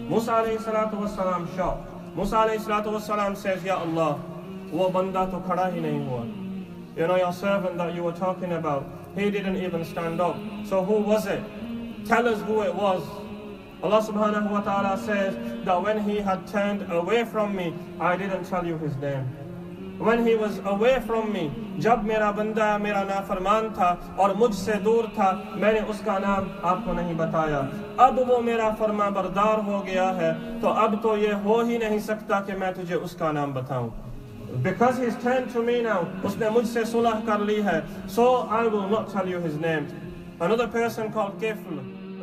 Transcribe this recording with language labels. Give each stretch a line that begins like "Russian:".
English: Musa alayhi salatu was salam shocked. Musa alayhi salatu was salam says,
Urdu: Ya Allah, wo banda to khada hi nahi hua.
English: You know, your servant that you were talking about, he didn't even stand up. So who was it? Tell us who it was. Allah subhanahu wa ta'ala says that when he had turned away from me, I didn't tell you his name. When he was away from me,
Urdu: جب میرا بندہ میرا نافرمان تھا اور مجھ سے دور تھا، میں نے اس کا نام آپ کو نہیں بتایا۔ اب وہ میرا فرماں بردار ہو گیا ہے، تو اب تو یہ ہو ہی نہیں سکتا کہ میں تجھے اس کا نام بتاؤں۔
English: Because he's turned to me now,
Urdu: usne mujhse sulah kar li hai,
English: so I will not tell you his name. Another person called Kifl.